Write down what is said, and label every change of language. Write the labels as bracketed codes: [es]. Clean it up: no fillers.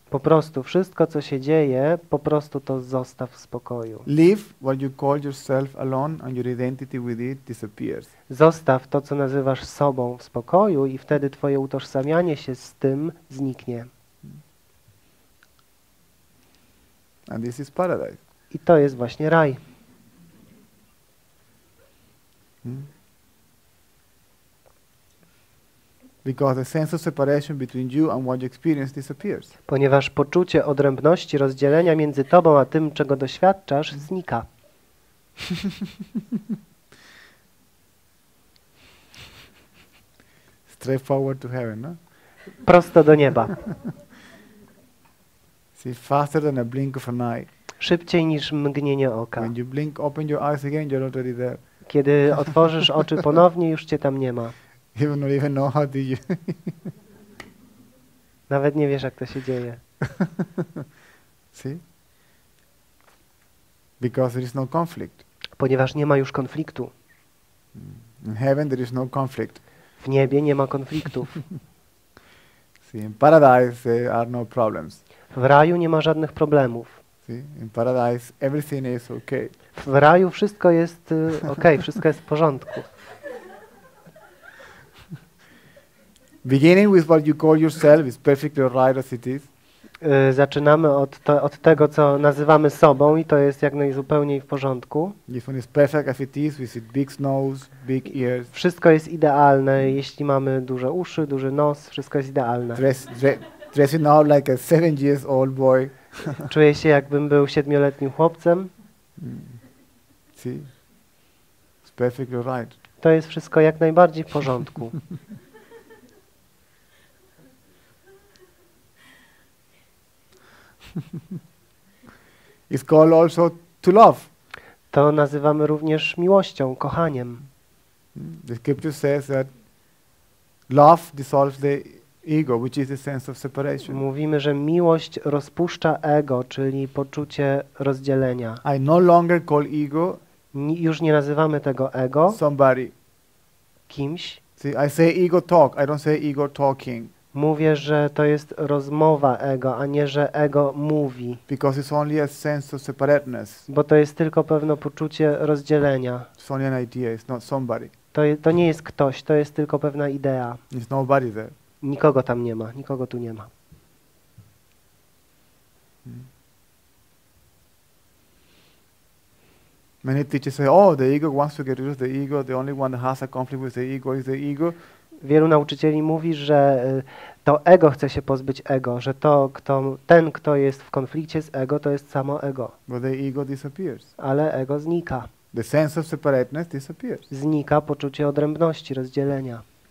[pl] Po prostu wszystko, co się dzieje, po prostu to zostaw w spokoju. [en] Leave what you call yourself alone and your identity with it disappears. [pl] Zostaw to, co nazywasz sobą, w spokoju i wtedy twoje utożsamianie się z tym zniknie. [en] And this is paradise. [pl] I to jest właśnie raj. [en] Because the sense of separation between you and what you experience disappears. [pl] Ponieważ poczucie odrębności, rozdzielenia między tobą a tym, czego doświadczasz, znika. [en] Straightforward to heaven, no? [pl] Prosto do nieba. [en] See, faster than a blink of an eye. [pl] Szybciej niż mgnienie oka. [en] When you blink, open your eyes again, you're already there. [pl] Kiedy otworzysz oczy ponownie, już cię tam nie ma. [en] Even not even know how did you. [pl] Nawet nie wiesz, jak to się dzieje. [en] See? Because there is no conflict. [pl] Ponieważ nie ma już konfliktu. [en] In heaven there is no conflict. [pl] W niebie nie ma konfliktów. [en] See, in paradise are no problems. [pl] W raju nie ma żadnych problemów. [en] In paradise everything is okay. [pl] W raju wszystko jest okay, wszystko jest w porządku. [en] Beginning with what you call yourself is perfectly right as it is. [pl] Zaczynamy od tego, co nazywamy sobą i to jest jak najzupełniej w porządku. [en] If one is perfect as it is, with its big nose, big ears. [pl] Wszystko jest idealne, jeśli mamy duże uszy, duży nos, wszystko jest idealne. [en] Dressing up like a 7-year-old boy. [pl] Czuję się, jakbym był 7-letnim chłopcem. [en] See? It's perfectly right. [pl] To jest wszystko jak najbardziej w porządku. [en] It's called also to love. [pl] To nazywamy również miłością, kochaniem. [en] The scripture says that love dissolves the ego, which is the sense of separation. [pl] Mówimy, że miłość rozpuszcza ego, czyli poczucie rozdzielenia. [en] I no longer call ego. [pl] Już nie nazywamy tego ego. [en] Somebody. [pl] Kimś. [en] See, I say ego talk. I don't say ego talking. [pl] Mówię, że to jest rozmowa ego, a nie że ego mówi. [en] Because it's only a sense of separateness. [pl] Bo to jest tylko pewne poczucie rozdzielenia. [en] It's only an idea. It's not somebody. [pl] To nie jest ktoś. To jest tylko pewna idea. [en] There's nobody there. [pl] Nikogo tam nie ma, nikogo tu nie ma. [en] Many teachers say, oh, the ego wants to get rid of the ego, the only one that has a conflict with the ego is the ego. [pl] Wielu nauczycieli mówi, że to ego chce się pozbyć ego, że to, kto, ten, kto jest w konflikcie z ego, to jest samo ego. [en] But the ego disappears. [pl] Ale ego znika. [en] The sense of separateness disappears. [pl] Znika poczucie odrębności, rozdzielenia.